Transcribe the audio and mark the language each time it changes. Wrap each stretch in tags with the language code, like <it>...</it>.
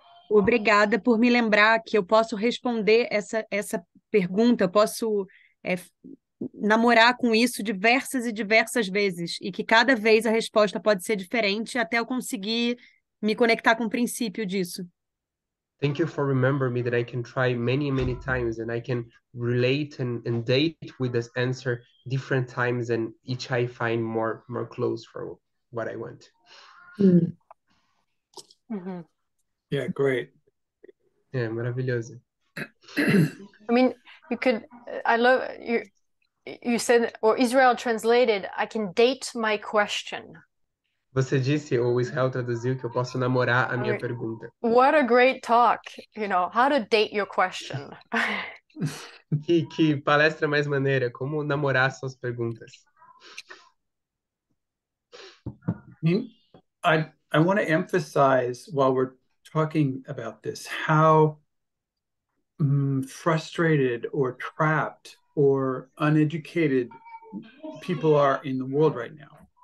<pt>Obrigada por me lembrar que eu posso responder essa pergunta, eu posso namorar com isso diversas e diversas vezes, e que cada vez a resposta pode ser diferente até eu conseguir me conectar com o princípio disso.</pt> <en>Thank you for remembering me that I can try many, many times and I can relate and date with this answer different times and each I find more close for what I want. Yeah, great.</en> <pt>É, maravilhoso.</pt> <en>I mean, you could. I love you. You said, or Israel translated, I can date my question.</en> <pt>Você disse, ou Israel traduziu, que eu posso namorar a</pt> <en>I</en> <pt>minha</pt> <en>mean,</en> <pt>pergunta.</pt> <en>what a great talk! How to date your question.</en> <pt>Que palestra mais maneira, como namorar suas perguntas.</pt> <en>I want to emphasize while we're talking about this how frustrated or trapped or uneducated people are in the world right now.</en>